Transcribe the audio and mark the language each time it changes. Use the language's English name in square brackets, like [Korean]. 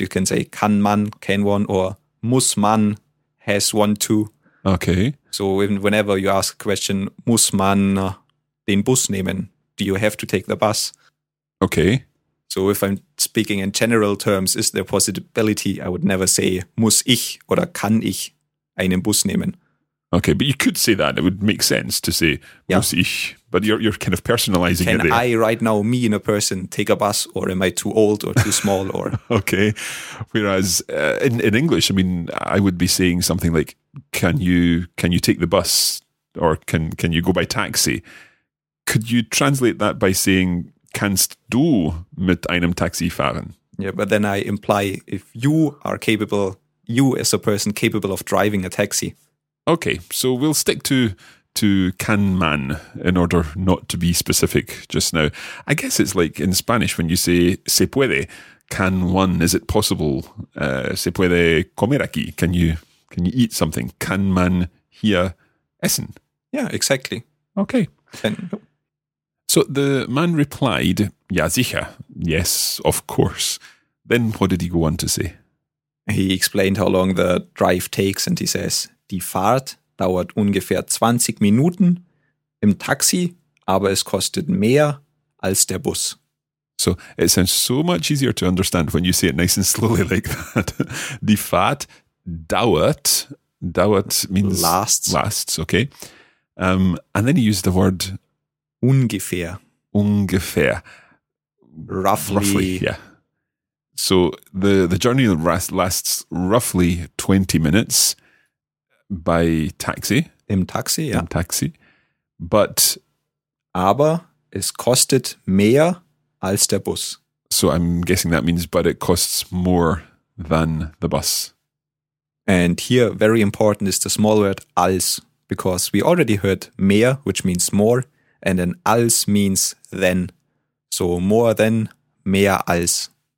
[English] You can say, [German] kann man, [English] can one, or [German] muss man. [English] Has one, too. Okay. So even whenever you ask a question, [German] muss man den Bus nehmen? [English] Do you have to take the bus? Okay. So if I'm speaking in general terms, is there a possibility? I would never say, [German] muss ich oder kann ich einen Bus nehmen? [English] Okay, but you could say that. It would make sense to say, yeah. [German] Muss ich. [English] But you're kind of personalizing can it there. Can I right now, me in a person, take a bus, or am I too old or too small? Or okay. Whereas in English, I mean, I would be saying something like, can you take the bus, or can you go by taxi? Could you translate that by saying, [German] kannst du mit einem Taxi fahren? [English] Yeah, but then I imply if you are capable, you as a person capable of driving a taxi. Okay, so we'll stick to can man in order not to be specific just now. I guess it's like in Spanish when you say [Spanish] se puede, [English] can one, is it possible, [Spanish] se puede comer aquí, [English] can you eat something, can man [German] hier essen? [English] Yeah, exactly. Okay. So the man replied, [German] ja sicher, [English] yes, of course. Then what did he go on to say? He explained how long the drive takes and he says, [German] die Fahrt dauert ungefähr 20 Minuten im Taxi, aber es kostet mehr als der Bus. [English] So it sounds so much easier to understand when you say it nice and slowly like that. [German] Die Fahrt dauert. Dauert means [English] lasts. Lasts, okay. And then he used the word [German] ungefähr. Ungefähr. [English] Roughly. Yeah. So the journey lasts roughly 20 minutes by taxi. [German] Im Taxi, ja. Im Taxi. But. Aber es kostet mehr als der Bus. [English] So I'm guessing that means, but it costs more than the bus. And here, very important is the small word als, because we already heard mehr, which means more, and then als means then. So more than, [German] mehr als.